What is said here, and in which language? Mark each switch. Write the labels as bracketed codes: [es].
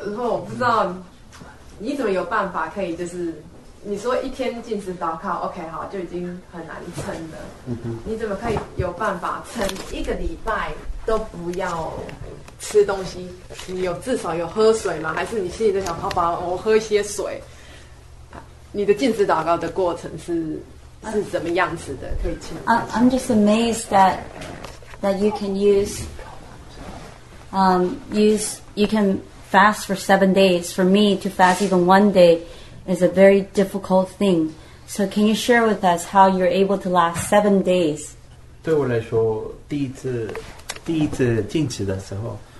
[zh] 然后我不知道你怎么有办法可以，就是你说一天禁食祷告 ，OK 好，就已经很难撑了。你怎么可以有办法撑一个礼拜都不要？吃东西，你有至少有喝水吗？还是你心里在想，好吧，我喝一些水。你的禁食祷告的过程是怎么样子的？可以请。 [en] I'm just amazed that you can you can fast for 7 days. For me to fast even one day is a very difficult thing. So can you share with us how you're able to last 7 days? [zh] 对我来说，第一次禁食的时候。